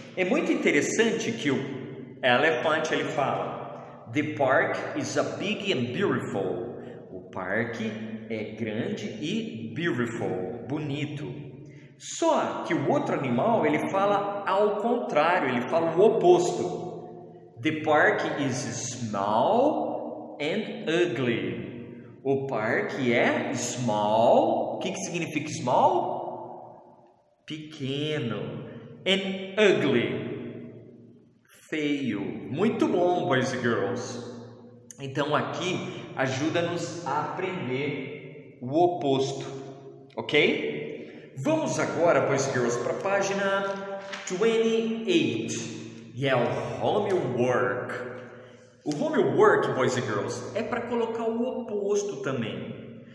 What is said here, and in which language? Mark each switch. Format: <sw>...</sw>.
<pt>É muito interessante que o elefante, ele fala:</pt> <en>"The park is a big and beautiful."</en> <pt>O parque é grande e beautiful, bonito. Só que o outro animal, ele fala ao contrário, ele fala o oposto.</pt> <en>"The park is small and ugly."</en> <pt>O parque é small. O que que significa small? Pequeno.</pt> <en>And ugly,</en> <pt>feio. Muito bom,</pt> <en>boys and girls.</en> <pt>Então aqui ajuda-nos a aprender o oposto, ok? Vamos agora,</pt> <en>boys and girls,</en> <pt>para a página 28, e é o homework. O homework,</pt> <en>boys and girls,</en> <pt>é para colocar o oposto também.</pt>